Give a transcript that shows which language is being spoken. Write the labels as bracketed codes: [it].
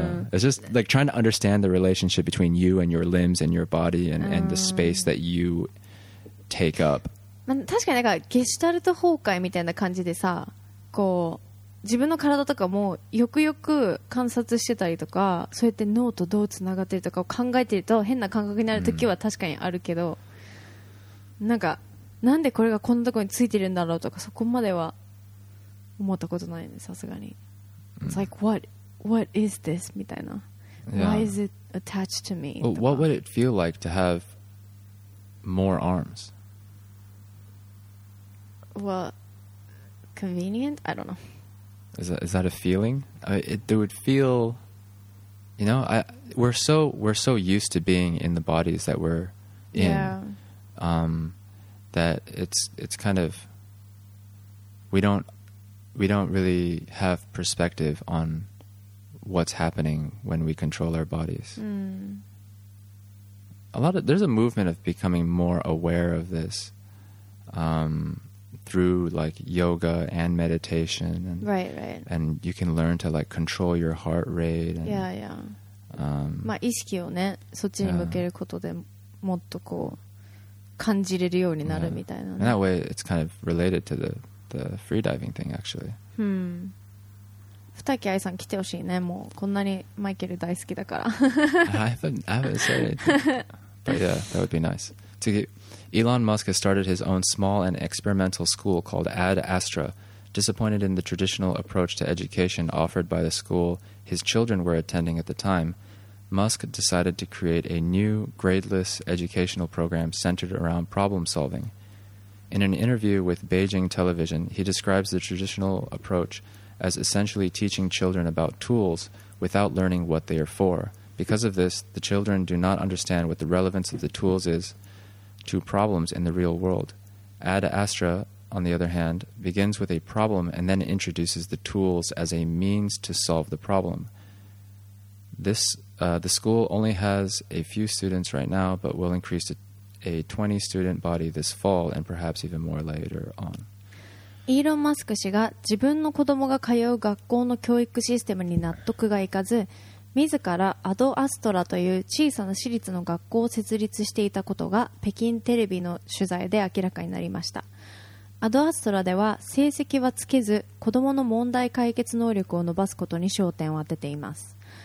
[en] It's just like trying to understand the relationship between you and your limbs and your body and the space that you take up. [ja] 確かになんかゲシュタルト崩壊みたいな感じでさ、こう自分の体とかもよくよく観察してたりとか、そうやって脳とどうつながってるとかを考えてると変な感覚になるときは確かにあるけど、なんかなんでこれがこんなとこについてるんだろうとかそこまでは思ったことないね、さすがに。 [en] It's like what is this [ja] みたいな。 [en] Why is it attached to me? What would it feel like to have more arms? Well, convenient? I don't know. Is that a feeling? It would feel, you know, we're so used to being in the bodies that we're in, that it's kind of we don't really have perspective on what's happening when we control our bodies. There's a movement of becoming more aware of this. Through like yoga and meditation, and, right, and you can learn to like control your heart rate. And, yeah, yeah. [ja] まあ意識をね、そっちに向けることでもっとこう感じれるようになるみたいな。 [en] And that way, it's kind of related to the freediving thing, actually. [ja] ふたきあいさん来てほしいね。もうこんなにマイケル大好きだから。 [en] I haven't said it, but yeah, that would be nice to get. Elon Musk has started his own small and experimental school called Ad Astra. Disappointed in the traditional approach to education offered by the school his children were attending at the time, Musk decided to create a new gradeless educational program centered around problem solving. In an interview with Beijing Television, he describes the traditional approach as essentially teaching children about tools without learning what they are for. Because of this, the children do not understand what the relevance of the tools is. To problems in the real world. Ad Astra, on the other hand, begins with a problem and then introduces the tools as a means to solve the problem. This, the school only has a few students right now, but will increase to a 20 student body this fall and perhaps even more later on. [ja] イーロン・マスク氏が自分の子供が通う学校の教育システムに納得がいかず、自らアドアストラという小さな私立の学校を設立していたことが北京テレビの取材で明らかになりました。アドアストラでは成績はつけず子どもの問題解決能力を伸ばすことに焦点を当てています。